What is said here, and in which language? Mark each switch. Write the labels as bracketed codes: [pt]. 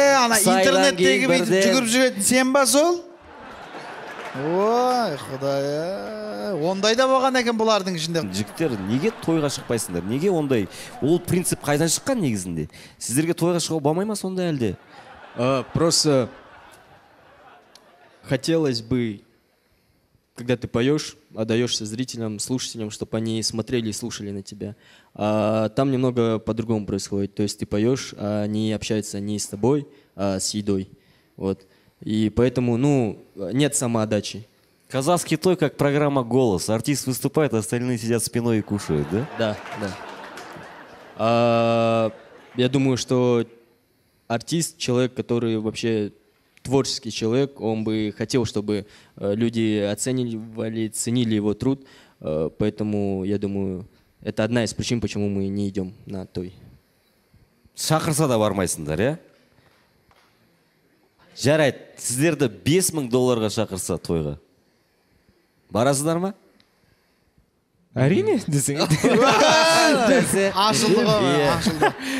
[kk] Ана интернеттегі бейтіп жүгіріп жүретін сен ба сол? Ой, Құдай, ондай да болған екен бұлардың ішінде. Жігіттер, неге тойға шықпайсыңдар? Неге ондай? Ол принцип қайдан шыққан негізінде? Сіздерге тойға шығау болмай ма сонда әлде? [ru] Просто хотелось бы, когда ты поешь, отдаешься зрителям, слушателям, чтобы они смотрели и слушали на тебя. А там немного по-другому происходит. То есть ты поешь, а они общаются не с тобой, а с едой. Вот. И поэтому, ну, нет самоотдачи. Казахский той, как программа «Голос». Артист выступает, а остальные сидят спиной и кушают, да? Да, да. Я думаю, что артист, человек, который вообще творческий человек, он бы хотел, чтобы люди оценивали, ценили его труд. Поэтому, я думаю, это одна из причин, почему мы не идем на той. [kk] Шақырса да бармайсыңдар, да? Жарайт, сіздерді 5000 долларға шақырса тойға. Барасыздар ма? Әрине, десең. Ашылды ғой, ашылды.